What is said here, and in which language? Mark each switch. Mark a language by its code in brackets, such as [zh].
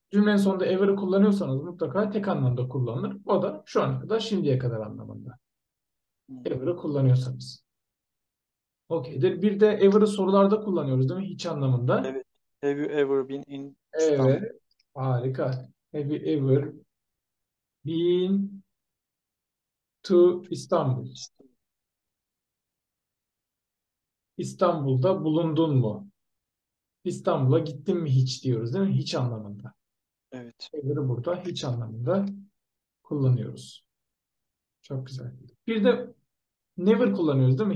[tr] Cümlenin sonunda ever'ı kullanıyorsanız mutlaka tek anlamda kullanılır. O da şu ana kadar, şimdiye kadar anlamında. Ever'ı kullanıyorsanız. Okeydir. Bir de ever'ı sorularda kullanıyoruz, değil mi? Hiç anlamında. Evet. [en] Have you ever been in İstanbul? [tr] Evet. Harika. [en] Have you ever been to İstanbul? [tr] İstanbul'da bulundun mu? İstanbul'a gittin mi hiç diyoruz, değil mi? Hiç anlamında. Evet. Ever'ı burada hiç anlamında kullanıyoruz. Çok güzel. Bir de never kullanıyoruz, değil mi?